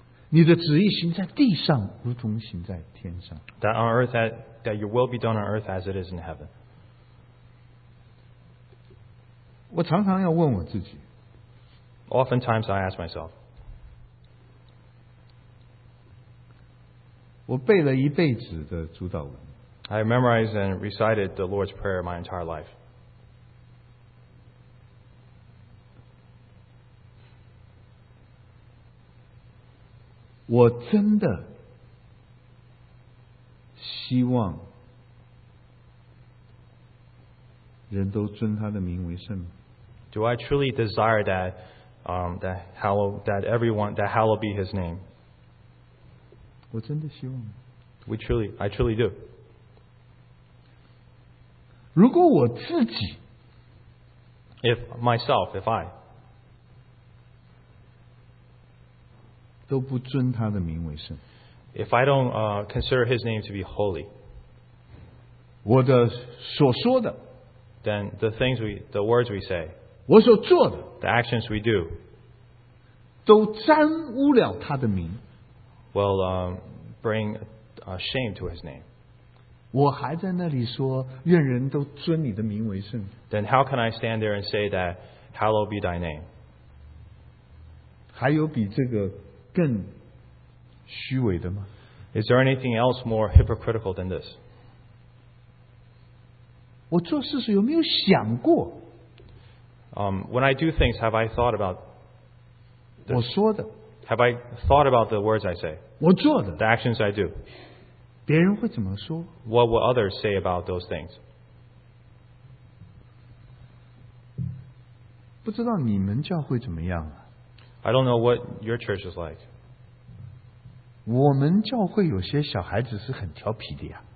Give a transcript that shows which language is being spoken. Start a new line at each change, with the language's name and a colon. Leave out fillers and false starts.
Chinese: 你的旨意行在地上，如同行在天上。
English: That on earth that your will be done on earth as it is in heaven.
Chinese: 我常常要问我自己。
English: Oftentimes I ask myself.
Chinese: 我背了一辈子的主导文。
English: I memorized and recited the Lord's Prayer my entire life.
Chinese: 我真的希望人都尊他的名为圣。
English: Do I truly desire that that hallowed be His name?
Chinese: 我真的希望。
English: I truly do.
Chinese: 如果我自己
English: If I
Chinese: 都不尊他的名为圣。
English: If I don't consider his name to be holy.
Chinese: 我的所说的。
English: Then the words we say.
Chinese: 我所做的。
English: The actions we do.
Chinese: 都沾污了他的名。
English: Well, bring shame to his name.
Chinese: 我还在那里说愿人都尊你的名为圣。
English: Then how can I stand there and say that hallowed be thy name?
Chinese: 还有比这个更虚伪的吗？
English: Is there anything else more hypocritical than this?
Chinese: 我做事时有没有想过？
English: When I do things, have I thought about this?
Chinese: 我说的。
English: Have I thought about the words I say?
Chinese: 我做的。
English: The actions I do.
Chinese: 别人会怎么说?
English: What will others say about those things?
Chinese: 不知道你们教会怎么样啊?
English: I don't know what your church is like.
Chinese: 我们教会有些小孩子是很调皮的呀。